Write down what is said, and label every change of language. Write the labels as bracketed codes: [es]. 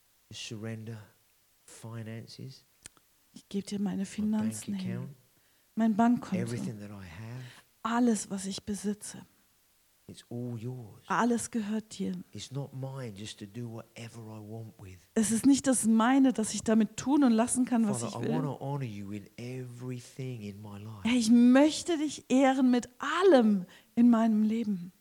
[en] Surrender finances. [de] Ich gebe dir meine Finanzen hin. Account, mein Bankkonto. [en] Everything that I have, [de] alles, was ich besitze. [en] It's all yours. [de] Alles gehört dir. [en] It's not mine, just to do whatever I want with. [de] Es ist nicht das meine, dass ich damit tun und lassen kann, was [en] Father, [de] ich will. [en] I want to honor you in everything in my life. [de] Herr, ich möchte dich ehren mit allem in meinem Leben.